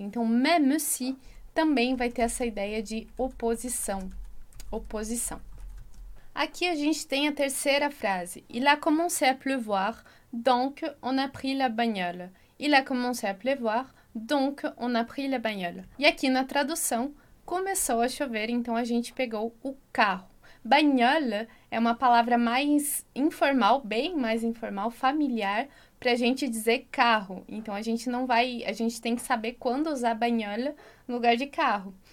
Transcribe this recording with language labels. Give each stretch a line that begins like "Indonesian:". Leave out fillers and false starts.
Portuguese: Então, même si também vai ter essa ideia de oposição. Oposição. Aqui a gente tem a terceira frase.
French: Il a commencé à pleuvoir, donc on a pris la bagnole. Il a commencé à pleuvoir, donc on a pris la bagnole.
Portuguese: E aqui na tradução, começou a chover, então a gente pegou o carro. Bagnole é uma palavra mais informal, bem mais informal, familiar, para a gente dizer carro. Então a gente tem que saber quando usar bagnole no lugar de carro.